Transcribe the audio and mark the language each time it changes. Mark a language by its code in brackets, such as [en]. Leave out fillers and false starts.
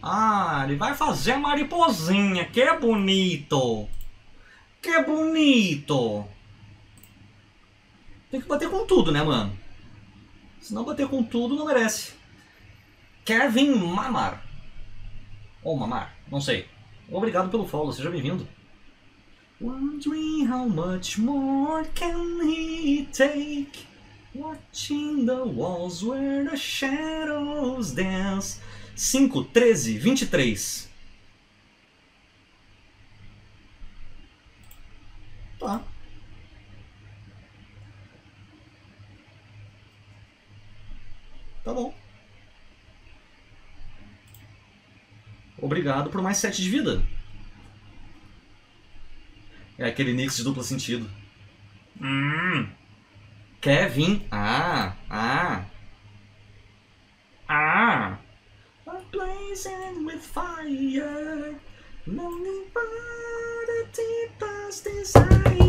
[pt] Ah, ele vai fazer a mariposinha. Que bonito. Que bonito. Tem que bater com tudo, né, mano? Se não bater com tudo, não merece. Kevin Mamar. Ou Mamar, não sei. Obrigado pelo follow, seja bem-vindo. [en] Wondering how much more can he take? Watching the walls where the shadows dance. 5, 13, 23. [pt] Tá. Tá bom. Obrigado por mais 7 de vida. É aquele Nyx de duplo sentido. Kevin. [en] I'm blazing with fire, longing for the deepest desire.